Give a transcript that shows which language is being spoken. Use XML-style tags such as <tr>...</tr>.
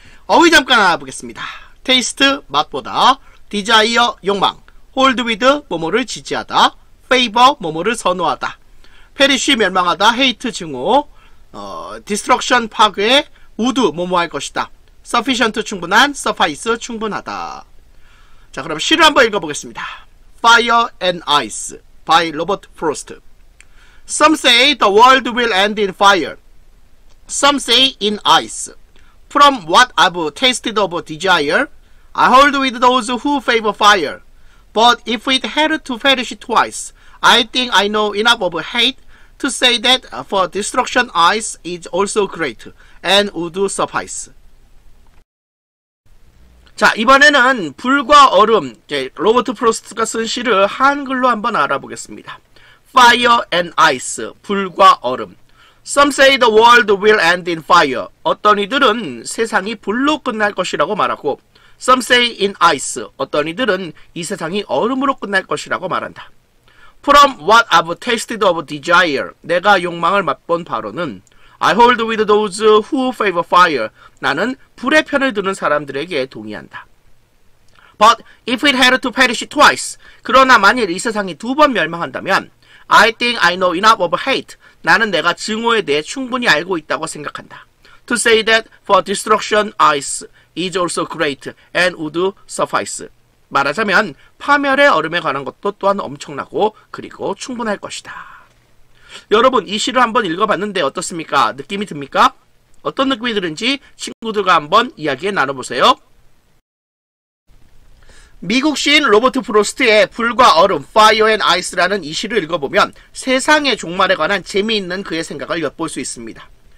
<ko>어휘 잠깐 알아보겠습니다. 테이스트, 맛보다, 디자이어, 욕망, 홀드 위드, 모모를 지지하다, 페이버, 모모를 선호하다, 페리쉬, 멸망하다, 헤이트, 증오, 디스트럭션, 파괴, 우드, 모모할 것이다. Sufficient, 충분한, suffice, 충분하다. 자, 그럼 시를 한번 읽어보겠습니다.</ko> <en>Fire and Ice by Robert Frost. Some say the world will end in fire. Some say in ice. From what I've tasted of desire, I hold with those who favor fire. But if it had to perish twice, I think I know enough of hate to say that for destruction ice is also great and would suffice.</en> <ko>자, 이번에는 불과 얼음, 로버트 프로스트가 쓴 시를 한글로 한번 알아보겠습니다.</ko> <en>Fire and ice,</en> <ko>불과 얼음.</ko> <en>Some say the world will end in fire.</en> <ko>어떤 이들은 세상이 불로 끝날 것이라고 말하고,</ko> <en>Some say in ice,</en> <ko>어떤 이들은 이 세상이 얼음으로 끝날 것이라고 말한다.</ko> <en>From what I've tasted of desire,</en> <ko>내가 욕망을 맛본 바로는,</ko> <en>I hold with those who favor fire.</en> <ko>나는 불의 편을 드는 사람들에게 동의한다.</ko> <en>But if it had to perish twice.</en> <ko>그러나 만일 이 세상이 두 번 멸망한다면,</ko> <en>I think I know enough of hate.</en> <ko>나는 내가 증오에 대해 충분히 알고 있다고 생각한다.</ko> <en>To say that for destruction ice is also great and would suffice.</en> <ko>말하자면 파멸의 얼음에 관한 것도 또한 엄청나고 그리고 충분할 것이다. 여러분, 이 시를 한번 읽어봤는데 어떻습니까? 느낌이 듭니까? 어떤 느낌이 드는지 친구들과 한번 이야기 나눠보세요. 미국 시인 로버트 프로스트의 불과 얼음, Fire and Ice라는 이 시를 읽어보면 세상의 종말에 관한 재미있는 그의 생각을 엿볼 수 있습니다.</ko>